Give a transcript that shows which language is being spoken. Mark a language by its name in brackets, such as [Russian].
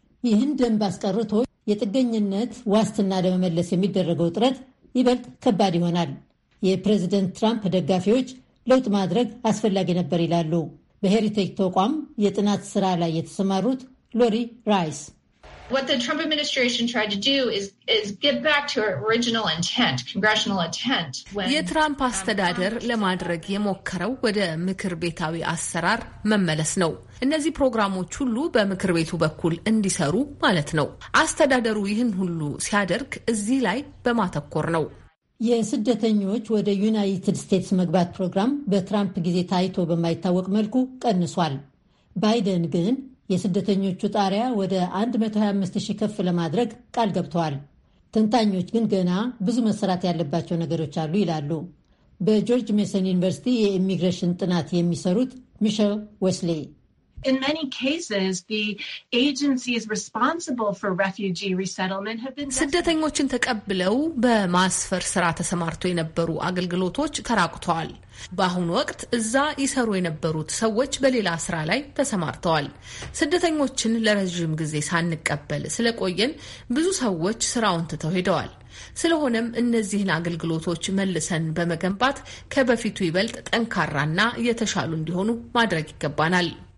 [Amharic] ይህን ደንብ አስቀርቶ የጥገኝነት ዋስትና ለመመለስ የሚደረገው ጥረት ይበልጥ ከባድ ይሆናል። የፕሬዚደንት ትራምፕ ደጋፊዎች ለውጥ ማድረግ አስፈላጊ ነበር ይላሉ። በሄሪቴጅ ተቋም የጥናት ስራ ላይ የተሰማሩት ሎሪ ራይስ [English] What the Trump administration tried to do is get back to our original intent, congressional intent. [Amharic] የትራምፕ አስተዳደር ለማድረግ የሞከረው ወደ ምክር ቤታዊ አሰራር መመለስ ነው። እነዚህ ፕሮግራሞች ሁሉ በምክር ቤቱ በኩል እንዲሰሩ ማለት ነው። አስተዳደሩ ይህን ሁሉ ሲያደርግ እዚህ ላይ በማተኮር ነው። የስደተኞች ወደ ዩናይትድ ስቴትስ መግባት ፕሮግራም በትራምፕ ጊዜ ታይቶ በማይታወቅ መልኩ ቀንሷል። ባይደን ግን የስደተኞቹ ጣሪያ ወደ 125,000 ከፍ ለማድረግ ቃል ገብተዋል። ተንታኞች ግን ገና ብዙ መሰራት ያለባቸው ነገሮች አሉ ይላሉ። በጆርጅ ሜሰን ዩኒቨርሲቲ የኢሚግሬሽን ጥናት የሚሰሩት ሚሼል ወስሌ [English] In many cases, the agencies responsible for refugee resettlement have been [Amharic] ስደተኞችን ተቀብለው በማስፈር ስራ ተሰማርተው የነበሩ አገልግሎቶች ተራቁተዋል። በአሁን ወቅት እዛ ይሰሩ የነበሩት ሰዎች በሌላ ስራ ላይ ተሰማርተዋል። ስደተኞችን ለረጅም ጊዜ ሳንቀበል ስለቆየን ብዙ ሰዎች ስራውን ትተው ሄደዋል። ስለሆነም እነዚህን አገልግሎቶች መልሰን በመገንባት ከበፊቱ ይበልጥ ጠንካራና የተሻሉ እንዲሆኑ ማድረግ ይገባናል።